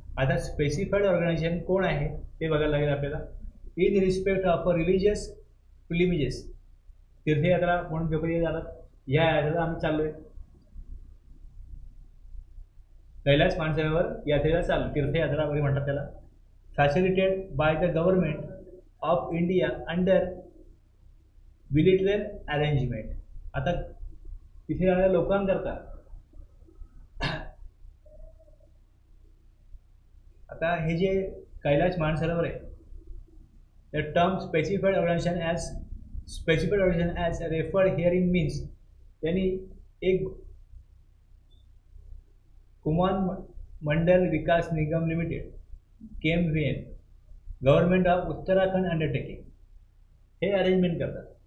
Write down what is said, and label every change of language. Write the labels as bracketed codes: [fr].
[mr] आता specified organisation कोण आहे ते बघायला लागेल आपल्याला. [en] in respect of a religious pilgrimages, [mr] तीर्थयात्रा म्हणून पेपर येत जातात, ह्या यात्रेला आम्ही चाललो आहे. कैलाश मानसरोवर यात्रेला चाललो, तीर्थयात्रा वगैरे म्हणतात त्याला. [en] Facilitated by the government of India under bilateral arrangement. [mr] आता तिथे जाणाऱ्या लोकांकरता, आता हे जे कैलाश मानसरोवर आहे, [en] the term specified organisation as specified organisation as referred hearing means, [mr] त्यांनी एक कुमान मंडल विकास निगम limited KMVN government of Uttarakhand undertaking हे अरेंजमेंट करतात.